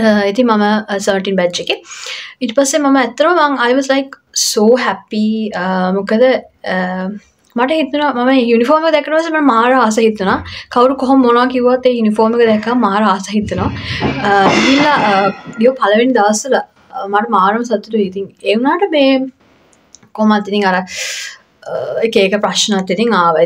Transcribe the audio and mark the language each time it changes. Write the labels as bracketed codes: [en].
[si] ඉතින් මම 17 batch එකේ. ඊට පස්සේ මම ඇත්තටම [en] I was like so happy. [si] මොකද මට හිතුණා මම යුනිෆෝම් එක දැක්කම මට මාර ආස හිතුණා. කවුරු කොහොම මොනවා කිව්වත් ඒ යුනිෆෝම් එක දැක්කම මාර ආස හිතුණා. ගිහිල්ලා ඊයෝ පළවෙනි දවස්වල මට මාරම සතුටුයි. ඉතින් ඒ වුණාට මේ කොහොමද ඉතින් අර එක එක ප්‍රශ්නත් ඉතින් ආවා.